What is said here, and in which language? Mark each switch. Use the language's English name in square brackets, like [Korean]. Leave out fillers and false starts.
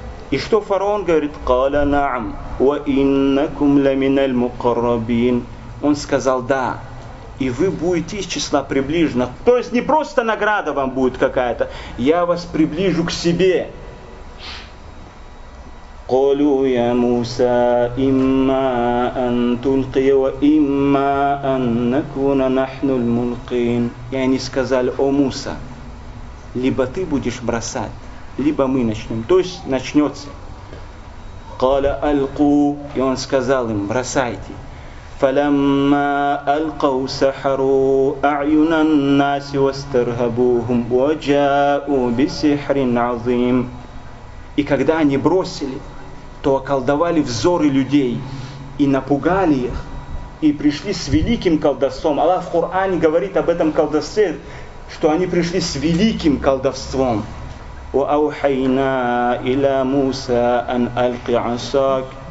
[Russian] И что фараон говорит? [Arabic] «Каля наам, ва иннакум ламиналь мукаррабин». [Russian] Он сказал: «Да, и вы будете из числа приближенных». То есть не просто награда вам будет какая-то, я вас приближу к себе. [Arabic] قالوا يا موسى إما أن تلقي وإما أن نكون نحن الملقين. [Russian] يعني сказали: о موسى, либо ты будешь бросать, либо мы начнем. То есть начнется. [Arabic] قال ألقوا, [Russian] и он сказал им: бросайте. [Arabic] فلما ألقوا سحروا أعين الناس واسترهبوهم وجاءوا بسحر عظيم. [Russian] И когда они бросили, то околдовали взоры людей и напугали их, и пришли с великим колдовством. Аллах в Коране говорит об этом колдовстве, что они пришли с великим колдовством. [Arabic] وَأَوْحَيْنَا إِلَى مُوسَىٰ أَنْ أَلْقِ عَصَاكَ.